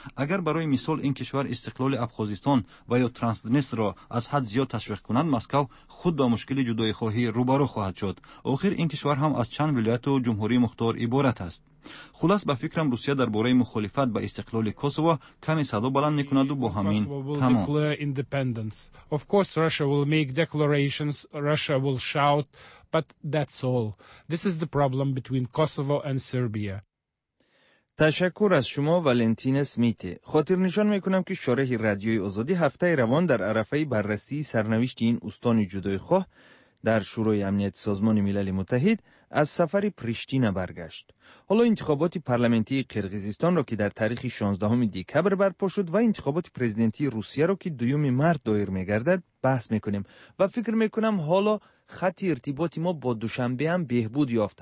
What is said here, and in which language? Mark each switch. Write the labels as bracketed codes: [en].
[fa] اگر برای مثال این کشور استقلال ابخازستان و یا ترانسدنستر را از حد زیاد تشویق کنند، مسکو خود به مشکل جدای خواهی روبرو خواهد شد. آخر این کشور هم از چند ولایت و جمهوری مختار عبارت است. خلاص به فکرم روسیه در باره مخالفت به استقلال کوسوو کمی صدا بلند میکند و با همین تمام. [en] But that's all. This is the problem between Kosovo and Serbia. [fa] تشکر از شما ولنتین اسمیت. خاطر نشان میکنم که شورای رادیوی آزادی هفته روان در عرفه بررسی سرنوشت این استان جدایخواه در شورای امنیت سازمان ملل متحد از سفر پریشتینا برگشت. حالا انتخابات پارلمانی قرقیزستان را که در تاریخ 16 دکامبر برپا شد و انتخابات پرزیدنتی روسیه را که 2 مارس دایر میگردد بحث میکنیم و فکر میکنم حالا خط ارتباط ما با دوشنبه هم بهبود یافت.